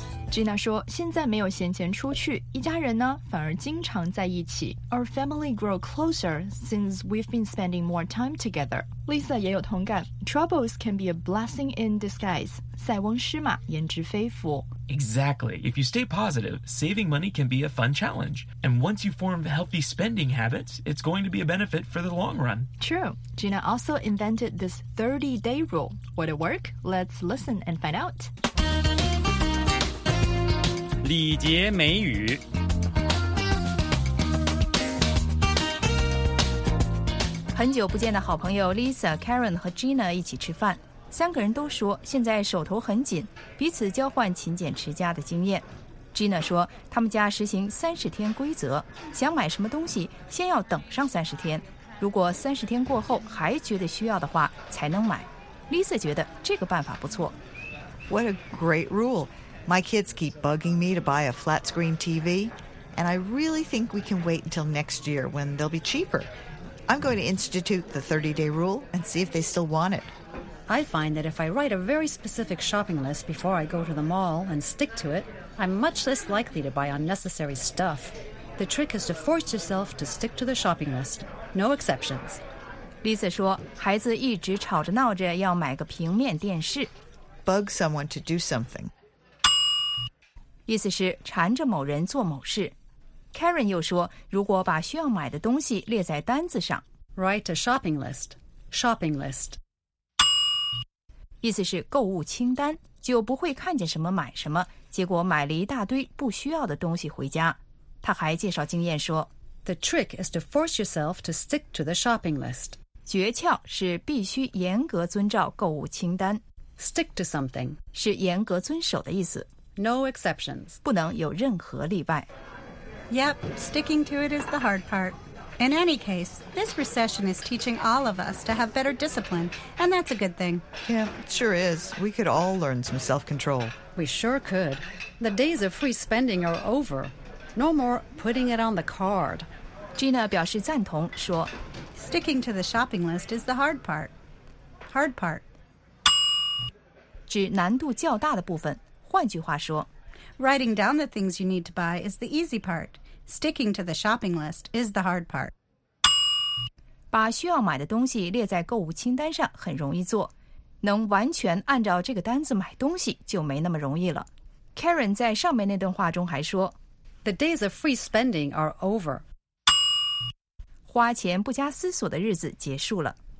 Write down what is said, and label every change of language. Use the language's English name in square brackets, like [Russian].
[Chinese] Gina 说现在没有闲钱出去，一家人呢反而经常在一起。 [English] Our family grow closer since we've been spending more time together. Lisa [Chinese] 也有同感， [English] Troubles can be a blessing in disguise. [Chinese] 塞翁失马焉知非福。 [English] Exactly. If you stay positive, saving money can be a fun challenge. And once you form healthy spending habits, it's going to be a benefit for the long run. True. Gina also invented this 30-day rule. Would it work? Let's listen and find out. [Chinese] 礼节美语。很久不见的好朋友 Lisa, Karen 和 Gina 一起吃饭。三个人都说现在手头很紧，彼此交换勤俭持家的经验。 Gina 说他们家实行30天规则，想买什么东西先要等上30天，如果30天过后还觉得需要的话才能买。 Lisa 觉得这个办法不错。 [English] What a great rule. My kids keep bugging me to buy a flat screen TV, and I really think we can wait until next year when they'll be cheaper. I'm going to institute the 30-day rule and see if they still want it. I find that if I write a very specific shopping list before I go to the mall and stick to it, I'm much less likely to buy unnecessary stuff. The trick is to force yourself to stick to the shopping list. No exceptions. [Chinese] Lisa 说孩子一直吵着闹着要买个平面电视。 [English] Bug someone to do something. [Chinese] 意思是缠着某人做某事。 Karen 又说如果把需要买的东西列在单子上。 [English] Write a shopping list. Shopping list. [Chinese] 意思是购物清单，就不会看见什么买什么，结果买了一大堆不需要的东西回家。他还介绍经验说 [English] The trick is to force yourself to stick to the shopping list. [Chinese] 诀窍是必须严格遵照购物清单。 [English] Stick to something [Chinese] 是严格遵守的意思。 [English] No exceptions. [Chinese] 不能有任何例外。 [English] Yep, sticking to it is the hard part. In any case, this recession is teaching all of us to have better discipline, and that's a good thing. Yeah, it sure is. We could all learn some self-control. We sure could. The days of free spending are over. No more putting it on the card. [Chinese] Gina 表示赞同，说 [English] Sticking to the shopping list is the hard part. Hard part. [Chinese] 指难度较大的部分。换句话说 [English] Writing down the things you need to buy is the easy part. Sticking to the shopping list is the hard part. [Chinese] 把需要买的东西列在购物清单上很容易做，能完全按照这个单子买东西就没那么容易了。 Karen 在上面那段话中还说 [English] The days of free spending are over. [Chinese] 花钱不加思索的日子结束了。